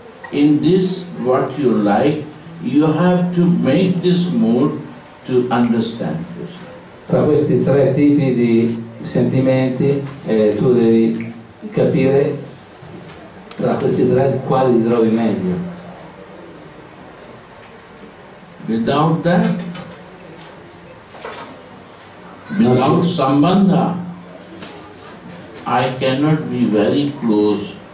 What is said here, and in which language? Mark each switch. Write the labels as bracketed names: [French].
[English] In this what you like, you have to make this mood to understand this. [Italian] Tra questi tre tipi di sentimenti tu devi capire tra questi tre quali trovi meglio. [English] Without that, without sambandha, I cannot be very close.